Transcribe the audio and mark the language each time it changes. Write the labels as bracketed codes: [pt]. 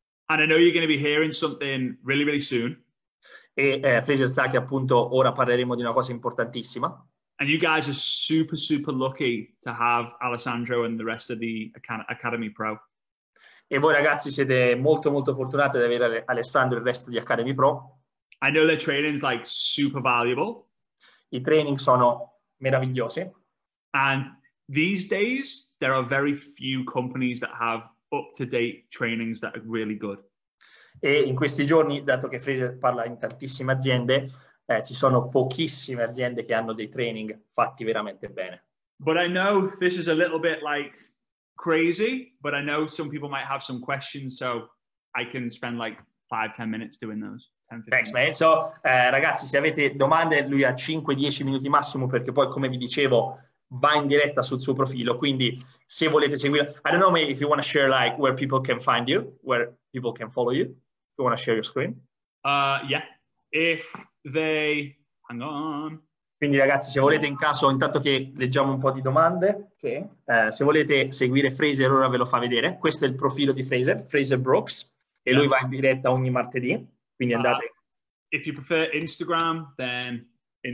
[en] And I know you're going to be hearing something really, really soon. [it] E Fraser sa che appunto ora parleremo di una cosa importantissima. [en] And you guys are super, super lucky to have Alessandro and the rest of the Academy Pro. [it] E voi ragazzi siete molto, molto fortunati ad avere Alessandro e il resto di Academy Pro. [en] I know the training's like super valuable. [it] I training sono meravigliosi. [en] And these days there are very few companies that have up-to-date trainings that are really good. [it] E in questi giorni, dato che Fraser parla in tantissime aziende, ci sono pochissime aziende che hanno dei training fatti veramente bene. [en] But I know this is a little bit like crazy, but I know some people might have some questions, so I can spend like 5-10 minutes doing those. Thanks, man. [it] So, ragazzi, se avete domande, lui ha 5-10 minuti massimo, perché poi, come vi dicevo, va in diretta sul suo profilo, quindi se volete seguire... [en] I don't know, maybe if you want to share, like, where people can find you, where people can follow you, if you want to share your screen. Yeah, if they... Hang on. [it] Quindi, ragazzi, se volete, in caso, intanto che leggiamo un po' di domande, okay. Se volete seguire Fraser, ora ve lo fa vedere. Questo è il profilo di Fraser, Fraser Brooks, e lui va in diretta ogni martedì. Quindi andate. [en] If you prefer Instagram, then Instagram.